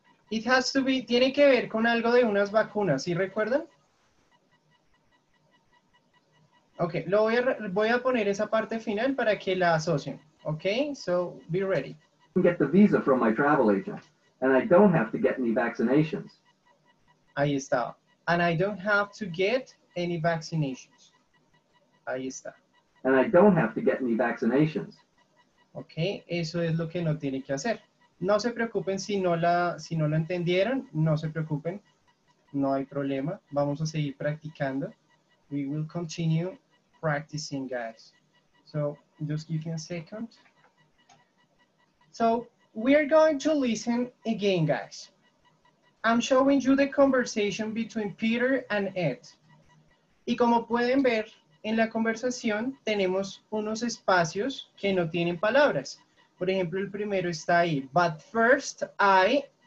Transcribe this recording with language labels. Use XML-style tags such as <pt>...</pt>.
<en>It has to be,</en> <es>tiene que ver con algo de unas vacunas, ¿sí recuerdan? Ok, voy a poner esa parte final para que la asocien.</es> <en>Ok, so be ready. I can get the visa from my travel agent, and I don't have to get any vaccinations.</en> <es>Ahí está.</es> <en>And I don't have to get any vaccinations.</en> <es>Ahí está.</es> <en>And I don't have to get any vaccinations.</en> <es>Ok, eso es lo que no tiene que hacer. No se preocupen si no la entendieron. No se preocupen. No hay problema. Vamos a seguir practicando.</es> <en>We will continue practicing, guys. So, just give me a second. So, we are going to listen again, guys. I'm showing you the conversation between Peter and Ed.</en> <es>Y como pueden ver, en la conversación tenemos unos espacios que no tienen palabras. Por ejemplo, el primero está ahí.</es> <en>But first, I...</en>